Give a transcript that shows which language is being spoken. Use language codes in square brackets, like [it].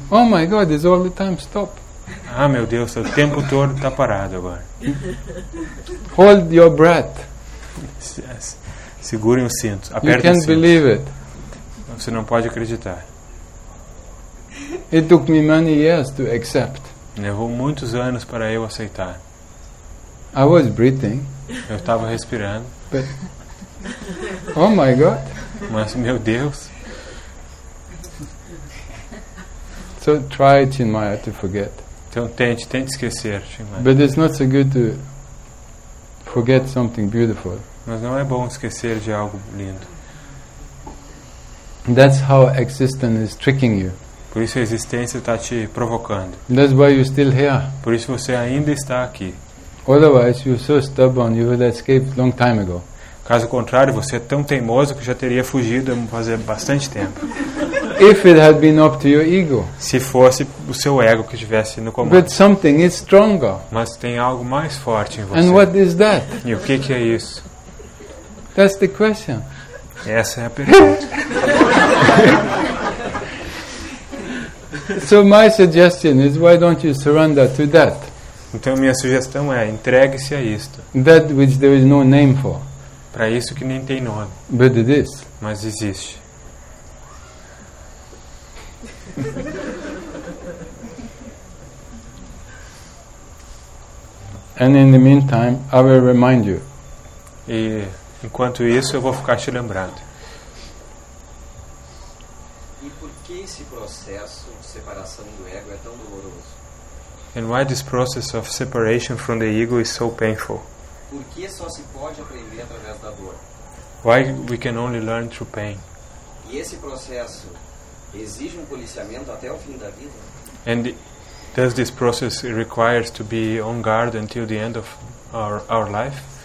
[en] Oh my God, it's all the time stop. [pt] Ah, meu Deus, o tempo todo está parado agora. [en] Hold your breath. [pt] Segurem os cintos. [en] You can't [pt] cintos. [en] Believe it. [pt] Você não pode acreditar. [en] It took me many years to accept. [pt] Levou muitos anos para eu aceitar. [en] I was breathing. [pt] Eu estava respirando. [en] But, oh my God. [pt] Mas meu Deus. [en] So try Chinmaya to forget. [pt] Então tente esquecer, Chinmaya. [en] But it's not so good to forget something beautiful. [pt] Mas não é bom esquecer de algo lindo. [en] That's how existence is tricking you. [pt] Por isso a existência está te provocando. [en] That's why you're still here. [pt] Por isso você ainda está aqui. [en] Otherwise, you're so stubborn, you would have escaped long time ago. [pt] Caso contrário, você é tão teimoso que já teria fugido fazer bastante tempo. [en] If it had been up to your ego. [pt] Se fosse o seu ego que estivesse no comando. [en] But something is stronger. [pt] Mas tem algo mais forte em você. [en] And what is that? [pt] E o que é isso? [en] That's the question. [pt] Essa é a pergunta. [en] So my suggestion is, why don't you surrender to that? [pt] Então minha sugestão é, entregue-se a isto. [en] That which there is no name for. [pt] Para isso que nem tem nome. [en] But it is. [pt] Mas existe. [en] And in the meantime, I will remind you. [pt] E enquanto isso, eu vou ficar te lembrando. E por que esse processo de separação do ego é tão doloroso? [en] And why this process of separation from the ego is so painful? [pt] Por que só se pode aprender através da dor? [en] Why we can only learn through pain? [pt] E esse processo exige policiamento até o fim da vida? [en] And does this process requires to be on guard until the end of our life?